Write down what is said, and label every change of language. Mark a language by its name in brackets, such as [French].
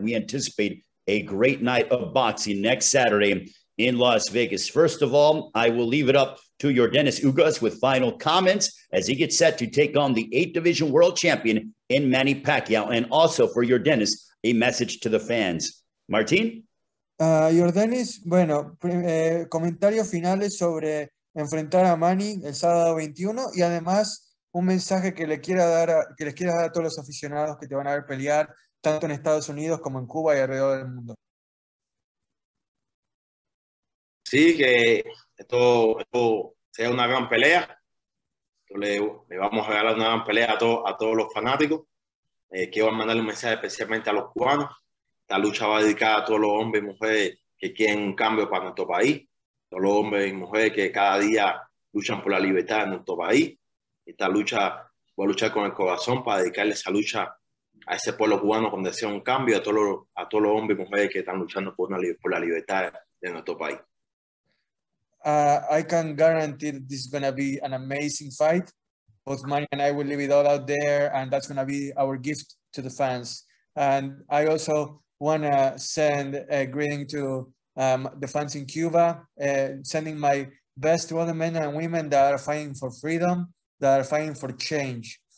[English] We anticipate a great night of boxing next Saturday in Las Vegas. First of all, I will leave it up to your Dennis Ugas with final comments as he gets set to take on the 8-division world champion in Manny Pacquiao. And also for your Dennis, a message to the fans. Martín? [Spanish] Your Dennis, bueno, comentarios finales sobre enfrentar a Manny el sábado 21 y además un mensaje que les quieras dar a todos los aficionados que te van a ver pelear tanto en Estados Unidos como en Cuba y alrededor del mundo. Sí, que esto sea una gran pelea. Le vamos a regalar una gran pelea a todos los fanáticos. Quiero mandarle un mensaje especialmente a los cubanos. Esta lucha va dedicada a todos los hombres y mujeres que quieren un cambio para nuestro país. Todos los hombres y mujeres que cada día luchan por la libertad en nuestro país. Esta lucha, voy a luchar con el corazón para dedicarle esa lucha a ese pueblo cubano con deseo un cambio, a todos los hombres y mujeres que están luchando por la libertad de nuestro país. [English] I can guarantee that this is going to be an amazing fight. Both Manny and I will leave it all out there, and that's going to be our gift to the fans. And I also want to send a greeting to the fans in Cuba, sending my best to all the men and women that are fighting for freedom, that are fighting for change.